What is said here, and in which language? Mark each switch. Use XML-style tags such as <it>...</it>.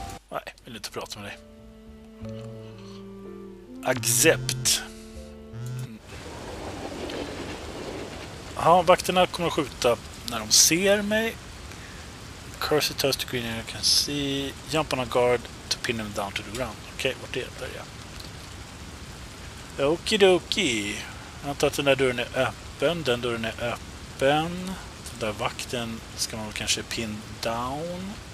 <sv>Nej, jag vill inte prata med dig.</sv> <en>Accept.</en> <sv>Ja, vakterna kommer att skjuta när de ser mig.</sv> <en>Curse the toast to green, you can see. Jump on a guard to pin them down to the ground.</en> <sv>Okej, okay, vart är det? Där jag. Okidoki. Jag antar att den där dörren är öppen. Den dörren är öppen. Den där vakten ska man kanske</sv> <en>pin down.</en>